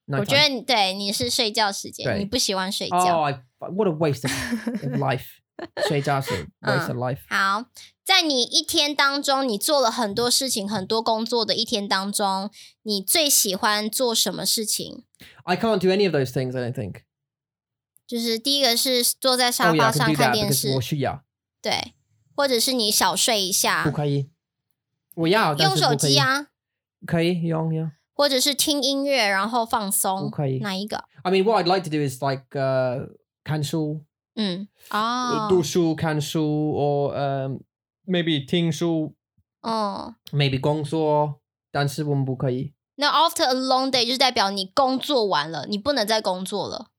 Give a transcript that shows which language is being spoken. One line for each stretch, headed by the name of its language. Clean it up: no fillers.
Chinese: 我觉得,对,你是睡觉时间, 你不喜欢睡觉。
English: Oh, what a waste of life.
Chinese: 睡觉是
English: waste of life.
Chinese: 好。在你一天当中,你做了很多事情,很多工作的一天当中, 你最喜欢做什么事情?
English: I can't do any of those things, I don't think.
Chinese: 就是第一个是坐在沙发上看电视。
English: Oh, yeah, I can do that because
Chinese: 我需要。对, 或者是你小睡一下。不可以。我要, 用手机啊。可以用, yeah. 或者是听音乐,然后放松。不可以。哪一个?
English: I mean, what I'd like to do is like, cancel.
Chinese: 嗯, 哦。读书, cancel, or, maybe 听书, maybe 工作, 但是我们不可以。
English: Now, after a long day,
Chinese: 就代表你工作完了, 你不能再工作了。